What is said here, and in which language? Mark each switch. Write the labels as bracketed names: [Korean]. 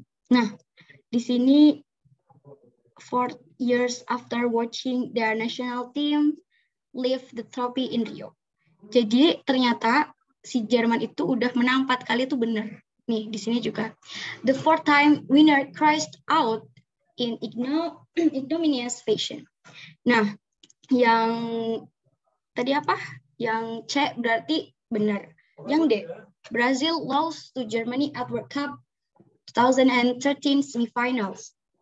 [Indonesian] Nah, di sini [English] 4 years after watching their national team lift the trophy in Rio. [Indonesian] Jadi ternyata si Jerman itu udah menang 4 kali itu benar. Nih, di sini juga. [English] The fourth time winner crashed out in ignominious fashion. [Indonesian] Nah, yang tadi apa? Yang C berarti benar. Yang D, [English] Brazil lost to Germany at World Cup 2013 semifinals.